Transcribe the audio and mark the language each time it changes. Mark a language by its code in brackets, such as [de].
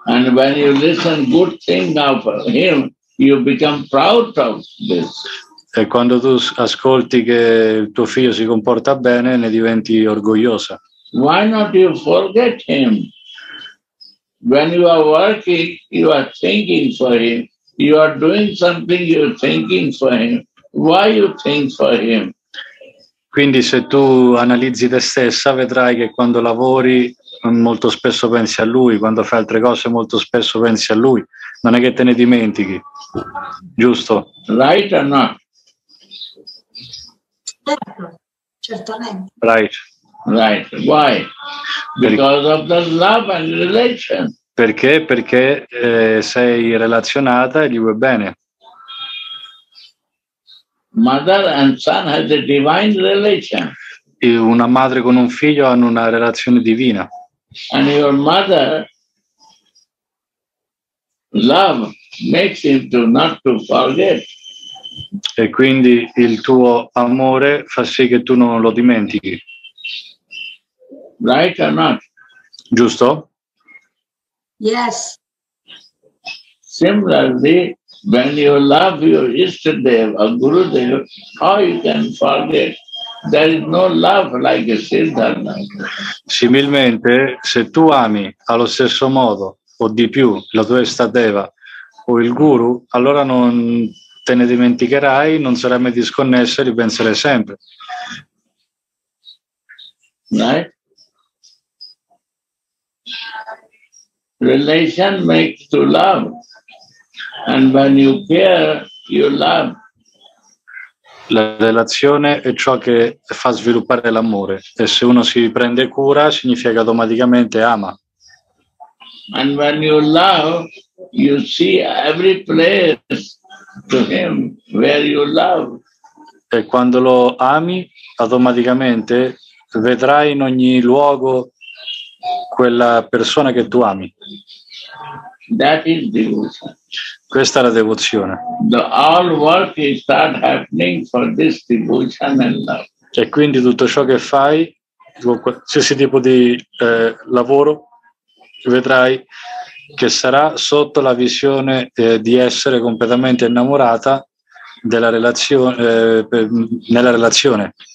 [en] And when you listen good thing of him, you become proud of this. [it] E quando tu ascolti che il tuo figlio si comporta bene, ne diventi orgogliosa. [en] Why not you forget him? When you are working, you are thinking for him. You are doing something, you are thinking for him. Why you think for him? [it] Quindi se tu analizzi te stessa, vedrai che quando lavori molto spesso pensi a lui, quando fai altre cose molto spesso pensi a lui. Non è che te ne dimentichi, giusto? [en] Right or not? [it] Certamente. [en] Right. Right. Why? Because of the love and relation. [it] Perché? Perché sei relazionata e gli vuoi bene. [en] Mother and son has a divine relation. [it] E una madre con un figlio hanno una relazione divina. [en] And your mother love makes him to not to forget. [it] E quindi il tuo amore fa sì che tu non lo dimentichi. [en] Right or not? [it] Giusto? [en] Yes. Similarly, when you love your Ishtadeva, Gurudev, how you can forget? There is no love like a Siddhar. [it] Similmente, se tu ami allo stesso modo o di più la tua Ishtadeva o il Guru, allora non te ne dimenticherai, non sarai mai disconnesso e ripenserai sempre. [en] Right? Relation makes to love. And when you care, you love. [it] La relazione è ciò che fa sviluppare l'amore. E se uno si prende cura, significa che automaticamente ama. [en] And when you love, you see every place to him where you love. [it] E quando lo ami, automaticamente vedrai in ogni luogo quella persona che tu ami. [en] That is devotion. [it] Questa è la devozione. [en] The all work is start happening for this devotion and love. [it] E quindi tutto ciò che fai, qualsiasi tipo di lavoro, vedrai che sarà sotto la visione di essere completamente innamorata della relazione, nella relazione.